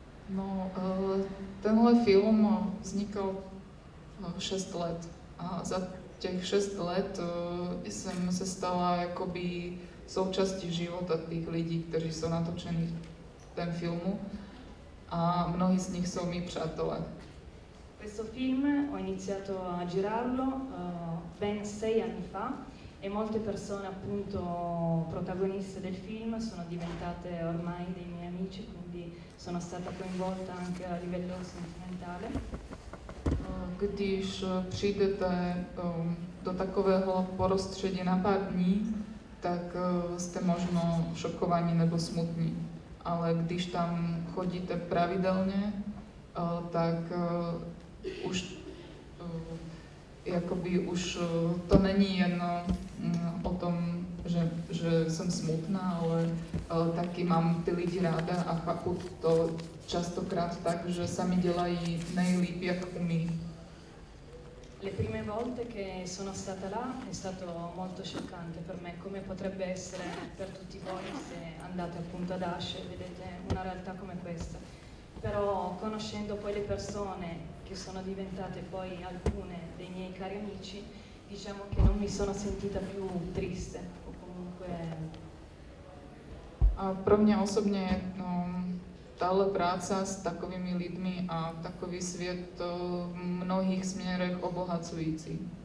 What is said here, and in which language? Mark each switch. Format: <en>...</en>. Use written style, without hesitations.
<cs>No, tenhle film vznikal 6 let a za těch 6 let jsem se stala jakoby součástí života těch lidí, kteří jsou natočeni v tom filmu a mnohí z nich jsou mi přátelé.</cs> <it>Questo film ho iniziato a girarlo ben 6 anni fa e molte persone appunto protagoniste del film sono diventate ormai dei miei amici, quindi sono stata coinvolta anche a livello sentimentale.</it> <cs>Když přijdete do takového prostředí na pár dní, tak jste možno šokovaní nebo smutní, ale když tam chodíte pravidelně, tak už jakoby už to není jen o tom, že jsem smutná, ale taky mám ty lidi ráda a chápu to častokrát tak, že sami dělají nejlíp, jak umí.</cs> <it>Le prime volte che sono stata là è stato molto scioccante per me, come potrebbe essere per tutti voi se andate appunto ad Asce e vedete una realtà come questa. Però conoscendo poi le persone che sono diventate poi alcune dei miei cari amici, diciamo che non mi sono sentita più triste o comunque... Per me</it> <cs>osobne tale práca s takovými lidmi a takový svět to v mnohých směrech obohacující.</cs>